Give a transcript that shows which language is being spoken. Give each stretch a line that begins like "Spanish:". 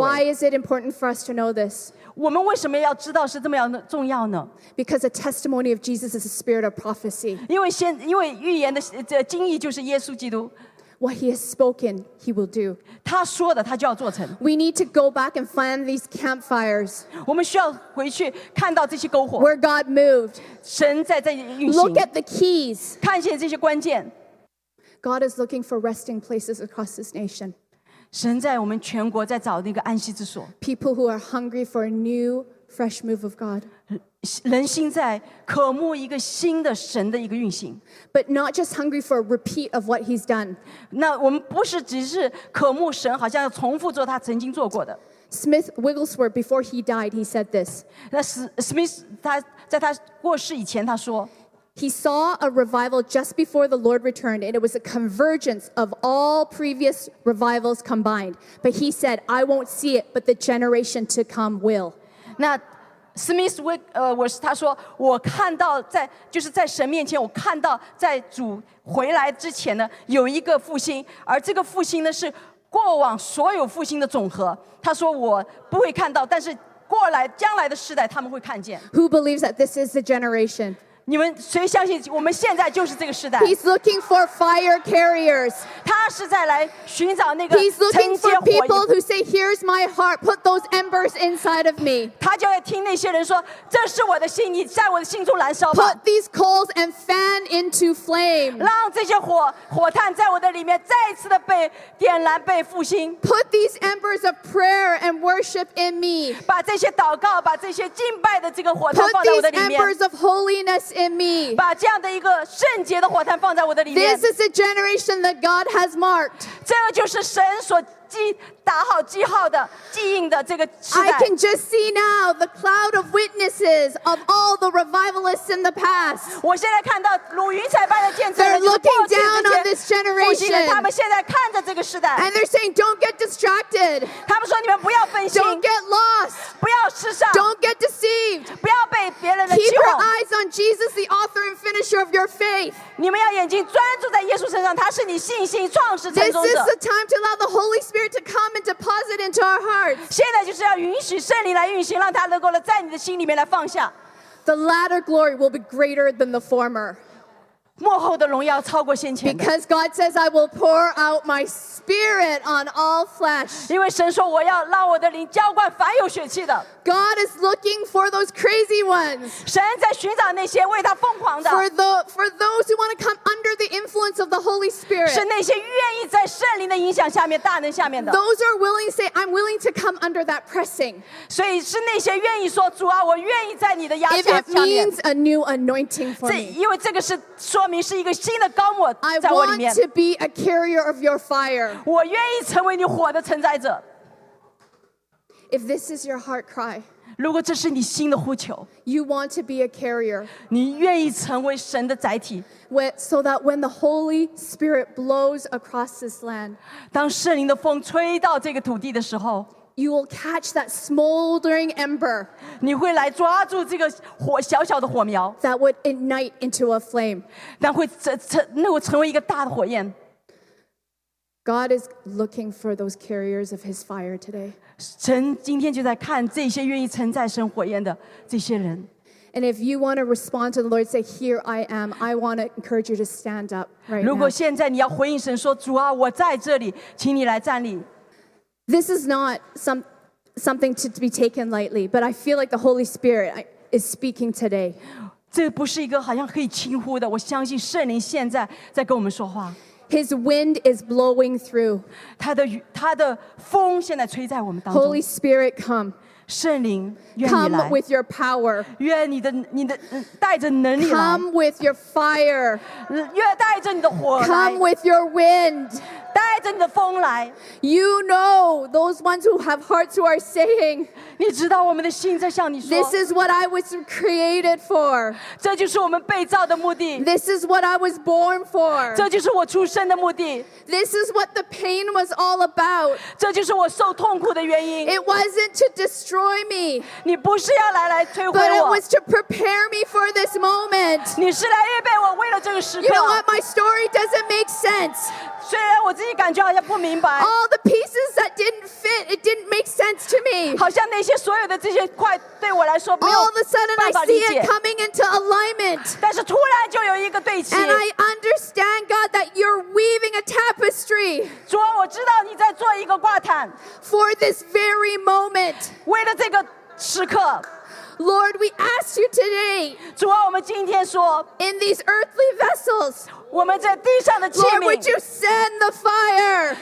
English: Why is it important for us to know this?
Chinese: 我们为什么要知道是这么样的重要呢？
English: Because a testimony of Jesus is a spirit of prophecy.
Chinese: 因为预言的经义就是耶稣基督。
English: What he has spoken, he will do.
Chinese: 他说的，他就要做成。
English: We need to go back and find these campfires.
Chinese: 我们需要回去看到这些篝火。
English: Where God moved.
Chinese: 神在运行。
English: Look at the keys.
Chinese: 看见这些关键。
English: God is looking for resting places across this nation.
Chinese: 神在我们全国在找那个安息之所。
English: People who are hungry for a new, fresh move of God.
Chinese: 人心在渴慕一个新的神的一个运行。
English: But not just hungry for a repeat of what he's done.
Chinese: 那我们不是只是渴慕神，好像要重复做他曾经做过的。
English: Smith Wigglesworth, before he died, he said this.
Chinese: 那 Smith 他在他过世以前他说。
English: He saw a revival just before the Lord returned, and it was a convergence of all previous revivals combined. But he said, I won't see it, but the generation to come will.
Chinese: 那 Smith Wigglesworth 他说，我看到在，就是在神面前，我看到在主回来之前呢，有一个复兴，而这个复兴呢，是过往所有复兴的总和。他说，我不会看到，但是过来，将来的世代，他们会看见。
English: Who believes that this is the generation?
Chinese: 你们谁相信我们现在就是这个时代？
English: He's looking for fire carriers.
Chinese: 他是在来寻找那个承接火焰。
English: He's looking for people who say, "Here's my heart. Put those embers inside of me."
Chinese: 他就要听那些人说，这是我的心，你在我的心中燃烧吧。
English: Put these coals and fan into flame.
Chinese: 让这些火炭在我的里面再次的被点燃，被复兴。
English: Put these embers of prayer and worship in me.
Chinese: 把这些祷告，把这些敬拜的这个火炭放在我的里面。
English: Put these embers of holiness. In me.
Chinese: 把这样的一个圣洁的火炭放在我的里面。
English: This is the generation that God has marked.
Chinese: 这就是神所打好记号的记印的这个时代。
English: I can just see now the cloud of witnesses of all the revivalists in the past.
Chinese: 我现在看到如云彩般的见证人。
English: They're looking down on this generation.
Chinese: 他们现在看着这个时代。
English: And they're saying, "Don't get distracted."
Chinese: 他们说你们不要分心。
English: Don't get lost.
Chinese: 不要失丧。
English: Don't get deceived.
Chinese: 不要被别人的欺哄。
English: Keep your eyes on Jesus, the author and finisher of your faith.
Chinese: 你们要眼睛专注在耶稣身上，他是你信心创始成终者。
English: This is the time to allow the Holy Spirit. To come and deposit into our hearts.
Chinese: 现在就是要允许圣灵来运行，让他能够了在你的心里面来放下。
English: The latter glory will be greater than the former.
Chinese: 幕后的荣耀超过先前的。
English: Because God says, "I will pour out my spirit on all flesh."
Chinese: 因为神说我要让我的灵浇灌凡有血气的。
English: God is looking for those crazy ones.
Chinese: 神在寻找那些为他疯狂的。
English: For those who want to come under the influence of the Holy Spirit.
Chinese: 是那些愿意在圣灵的影响下面、大能下面的。
English: Those who are willing to say, "I'm willing to come under that pressing."
Chinese: 所以是那些愿意说主啊，我愿意在你的压力下面。
English: If it means a new anointing for me.
Chinese: 因为这个是说明是一个新的膏抹在我里面。
English: I want to be a carrier of your fire.
Chinese: 我愿意成为你火的承载者。
English: If this is your heart cry,
Chinese: 如果这是你心的呼求,
English: you want to be a carrier,
Chinese: 你愿意成为神的载体,
English: so that when the Holy Spirit blows across this land,
Chinese: 当圣灵的风吹到这个土地的时候,
English: you will catch that smoldering ember,
Chinese: 你会来抓住这个火小小的火苗,
English: that would ignite into a flame,
Chinese: 但会那会成为一个大的火焰。
English: God is looking for those carriers of His fire today.
Chinese: 神今天就在看这些愿意承载神火焰的这些人。
English: And if you want to respond to the Lord, say, "Here I am." I want to encourage you to stand up right now.
Chinese: 如果现在你要回应神说，主啊，我在这里，请你来站立。
English: This is not something to be taken lightly, but I feel like the Holy Spirit is speaking today.
Chinese: 这不是一个好像可以轻忽的。我相信圣灵现在在跟我们说话。
English: His wind is blowing through.
Chinese: 他的风现在吹在我们当中。
English: Holy Spirit, come.
Chinese: 圣灵，愿你来。
English: Come with your power.
Chinese: 愿你的带着能力来。
English: Come with your fire.
Chinese: 愿带着你的火来。
English: Come with your wind.
Chinese: 带着你的风来。
English: You know those ones who have hearts who are saying.
Chinese: 你知道我们的心在向你说。
English: This is what I was created for.
Chinese: 这就是我们被造的目的。
English: This is what I was born for.
Chinese: 这就是我出生的目的。
English: This is what the pain was all about.
Chinese: 这就是我受痛苦的原因。
English: It wasn't to destroy me.
Chinese: 你不是要来摧毁我。
English: But it was to prepare me for this moment.
Chinese: 你是来预备我为了这个时刻。
English: You know what? My story doesn't make sense.
Chinese: 虽然我自己感觉好像不明白。
English: All the pieces that didn't fit, it didn't make sense to me.
Chinese: 好像那些所有的这些块对我来说没有办法理解。
English: All of a sudden I see it coming into alignment.
Chinese: 但是突然就有一个对齐。
English: And I understand, God, that you're weaving a tapestry.
Chinese: 主啊，我知道你在做一个挂毯。
English: For this very moment.
Chinese: 为了这个时刻。
English: Lord, we ask you today.
Chinese: 主啊，我们今天说。
English: In these earthly vessels.
Chinese: 我们在地上的器皿。
English: Lord, would you send the fire?